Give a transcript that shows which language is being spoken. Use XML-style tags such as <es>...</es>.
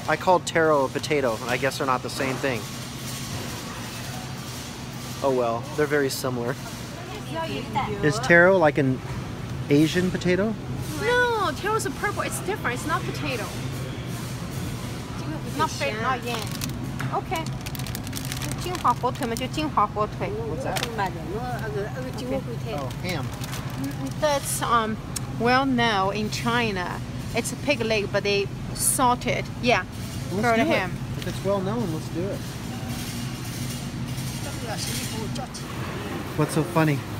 <en>I called taro a potato, and I guess they're not the same thing. Oh well, they're very similar. Is taro like an Asian potato? No, taro is a purple, it's different, it's not potato. Not yet. Okay.</en> <zh>金华火腿，我们就金华火腿。</zh> <en>What's that? Okay. Oh, ham. That's, well, now in China, it's a pig leg, but they salt it. Yeah. Let's curled do ham. It. If it's well known, let's do it. What's so funny?</en>